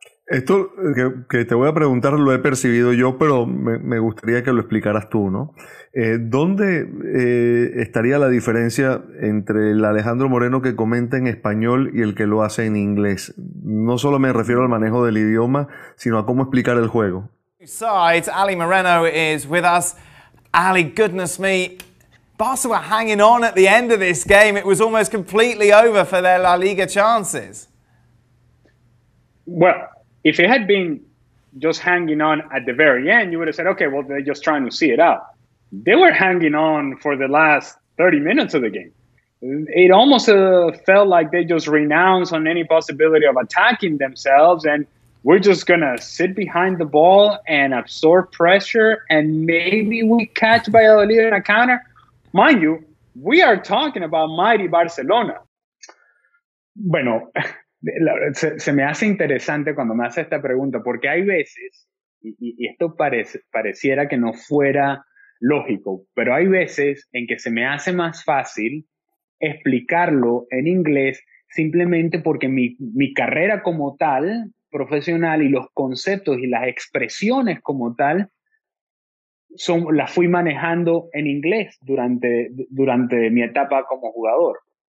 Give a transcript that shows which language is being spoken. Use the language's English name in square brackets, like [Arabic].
[Spanish] Esto que te voy a preguntar lo he percibido yo, pero me gustaría que lo explicaras tú, ¿no? ¿Dónde estaría la diferencia entre el Alejandro Moreno que comenta en español y el que lo hace en inglés? No solo me refiero al manejo del idioma, sino a cómo explicar el juego. [English] Sides, Ali Moreno is with us. Ali, goodness me, Barca were hanging on at the end of this game. It was almost completely over for their La Liga chances. Well, if it had been just hanging on at the very end, you would have said, okay, well, they're just trying to see it out. They were hanging on for the last 30 minutes of the game. It almost felt like they just renounced on any possibility of attacking themselves, and we're just going to sit behind the ball and absorb pressure, and maybe we catch Valladolid in a counter. Mind you, we are talking about mighty Barcelona. [Spanish] Bueno, se me hace interesante cuando me hace esta pregunta, porque hay veces, y esto pareciera que no fuera lógico, pero hay veces en que se me hace más fácil explicarlo en inglés simplemente porque mi carrera como tal, profesional, y los conceptos y las expresiones como tal, las fui manejando en inglés durante mi etapa como jugador.